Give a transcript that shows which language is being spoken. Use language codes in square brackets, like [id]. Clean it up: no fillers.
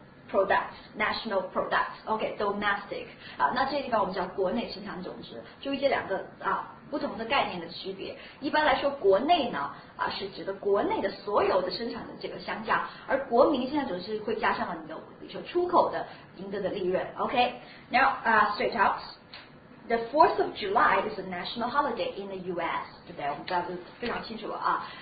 [en] Products, national products, OK, domestic. [zh] 啊，那这个地方我们叫国内生产总值，注意这两个啊不同的概念的区别。一般来说，国内呢啊是指的国内的所有的生产的这个相加，而国民生产总值会加上了你的比如说出口的赢得的利润。 [en] OK, now straight up, the 4th of July is a national holiday in the U.S. [zh] 对不对？我们大家都非常清楚了啊。